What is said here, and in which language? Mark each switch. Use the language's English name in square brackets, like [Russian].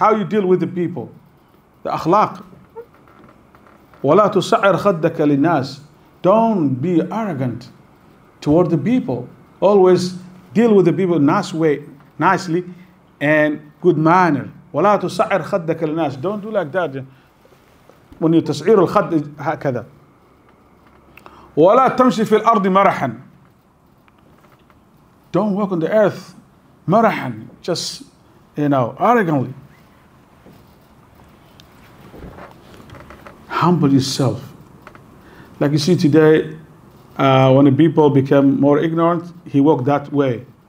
[English] How you deal with the people, the akhlaq. [Arabic] وَلَا تُصَعِرْ خَدَّكَ لِلنَّاسِ. [English] Don't be arrogant toward the people. Always deal with the people nice way, nicely and good manner. [Arabic] وَلَا تُصَعِرْ خَدَّكَ لِلنَّاسِ. [English] Don't do like that. When you [Arabic] تَصْعِرُ الْخَدِّ هَكَذَا. وَلَا تَمْشِي فِي الْأَرْضِ مَرَحًا. [English] Don't walk on the earth marahan, just, you know, arrogantly. Humble yourself. Like you see today, when the people become more ignorant, he walk that way.